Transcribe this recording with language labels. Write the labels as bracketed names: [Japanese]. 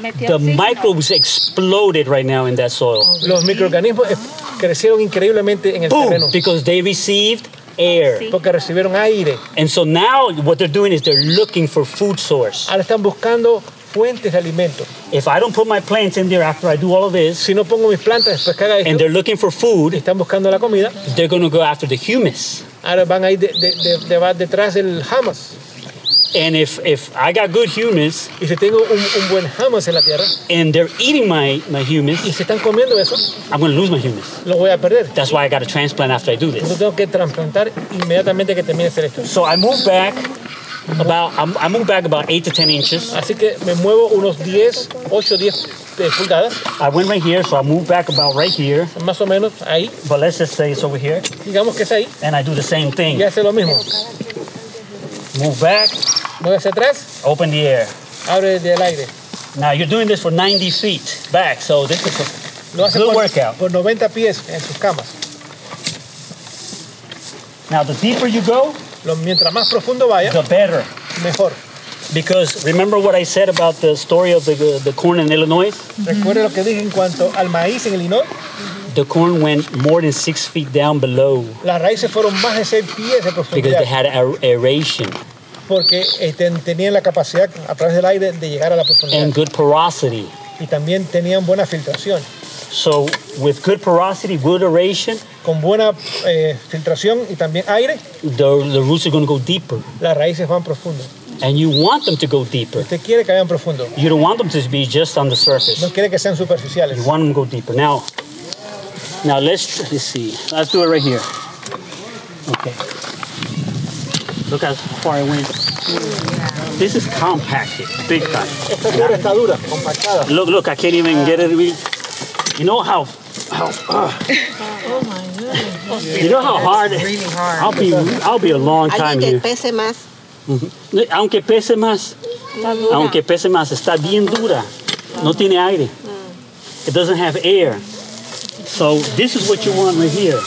[English] The microbes exploded right now in that soil. [Spanish] Los microorganismos crecieron increíblemente en el [English] boom, [Spanish] terreno. [English] Because they received air. [Spanish] Porque recibieron aire. [English] And so now what they're doing is they're looking for food source. [Spanish] Ahora están buscando fuentes de alimento. [English] If I don't put my plants in there after I do all of this, [Spanish] si no pongo mis plantas después que haga esto, [English] and they're looking for food, [Spanish] están buscando la comida, [English] they're going to go after the humus. [Spanish] Ahora van a ir detrás del humus. [English] And if I got good humus, [Spanish] y si tengo un buen humus en la tierra, [English] and they're eating my humus, [Spanish] y si están comiendo eso, [English] I'm going to lose my humus. [Spanish] Lo voy a perder. [English] That's why I got to transplant after I do this. [Spanish] Entonces tengo que transplantar inmediatamente que termine hacer esto. [English] So I moved back about 8 to 10 inches. [Spanish] Así que me muevo unos 8 o 10 pulgadas. [English] I went right here, so I moved back about right here. [Spanish] Más o menos ahí. [English] But let's just say it's over here. [Spanish] Digamos que es ahí. [English] And I do the same thing. [Spanish] Y hace lo mismo. [English] Move back. [Spanish] Mueve hacia atrás. [English] Open the air. [Spanish] Abre el aire. [English] Now you're doing this for 90 feet back, so this is a [Spanish] lo hace [English] good [Spanish] por, [English] workout. [Spanish] Por 90 pies en sus camas. [English] Now the deeper you go, [Spanish] mientras más profundo vaya, [English] the better. [Spanish] Mejor. [English] Because remember what I said about the story of the corn in Illinois? [Spanish] ¿Recuerda lo que dije en cuanto al maíz en Illinois? [English] The corn went more than 6 feet down below. [Spanish] Las raíces fueron más de 6 pies de profundidad. [English] Because they had aeration. [Spanish] Porque tenían la capacidad a través del aire de llegar a la profundidad. [English] And good porosity. [Spanish] Y también tenían buena filtración. [English] So with good porosity, good aeration, [Spanish] con buena filtración y también aire, [English] the roots are going to go deeper. [Spanish] Las raíces van profundo. [English] And you want them to go deeper. [Spanish] Usted quiere que vayan profundo. [English] You don't want them to be just on the surface. [Spanish] No quiere que sean superficiales. [English] You want them to go deeper. Now let's see. Let's do it right here. Okay. Look how far I went. This is compacted, big time. [Spanish] Esta tierra está dura, compactada. [English] Look, I can't even get it. You know how? Oh my goodness. You know how hard? It's really hard. I'll be a long time here. [Spanish] Aunque pese más, aunque pese más, está bien dura. No tiene aire. [English] It doesn't have air. So this is what you want right here.